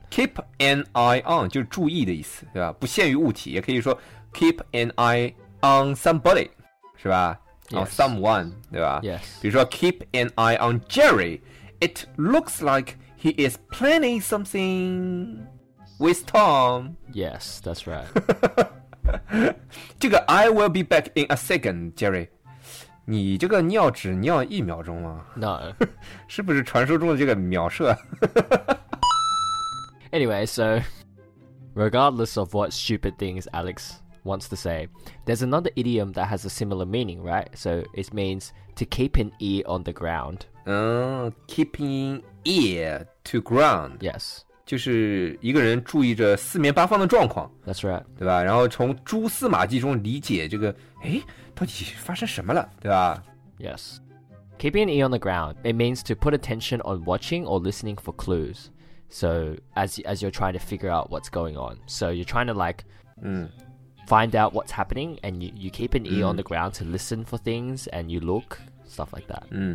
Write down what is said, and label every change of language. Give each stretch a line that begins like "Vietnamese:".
Chinese: Keep an eye on 就是注意的意思，对吧？不限于物体，也可以说
English: keep an eye on somebody,
Chinese: 是吧？
English: Yes. On someone,
Chinese: 对吧？
English: Yes.
Chinese: 比如说
English: keep an eye on Jerry. It looks like he is planning something with Tom. Yes, that's right.
Chinese: 这个
English: I will be back in a second, Jerry.
Chinese: 你这个尿只尿一秒钟吗
English: ？No，
Chinese: 是不是传说中的这个秒射
English: ？Anyway, so regardless of what stupid things Alex wants to say, there's another idiom that has a similar meaning, right? So it means to keep an ear on the ground. Keeping ear to ground. Yes，
Chinese: 就是一个人注意着四面八方的状况。
English: That's right，
Chinese: 对吧？然后从蛛丝马迹中理解这个，到底发生什么了，对吧
English: ？Yes, keeping an ear on the ground it means to put attention on watching or listening for clues. So as you're trying to figure out what's going on, so you're trying to like, find out what's happening, and you keep an ear on the ground to listen for things and you look stuff like that.